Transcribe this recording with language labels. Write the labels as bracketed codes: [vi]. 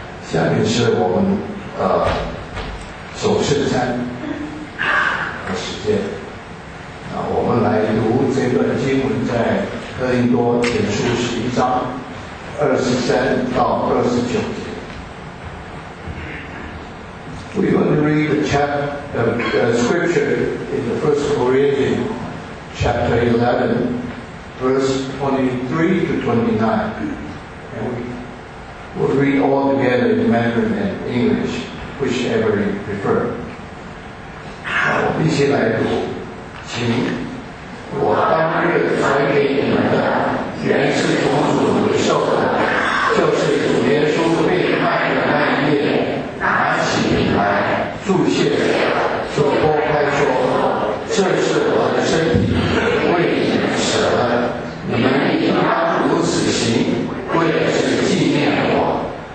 [zh] 下面是我们守圣餐的时间。那我们来读这段经文，在哥林多前书十一章23-29节。 [en] We want to read the chapter, the scripture in the First Corinthians chapter 11, verse 23-29. We'll read all together in Mandarin and English, whichever you prefer. [zh] 好，一起来读，请。我当日传给你们的，原是从主领受的，就是主耶稣被卖的那一夜，拿起饼来，祝谢，就拨开说：“这是我的身体，为你们舍了，你们应当如此行，为的是纪念我。”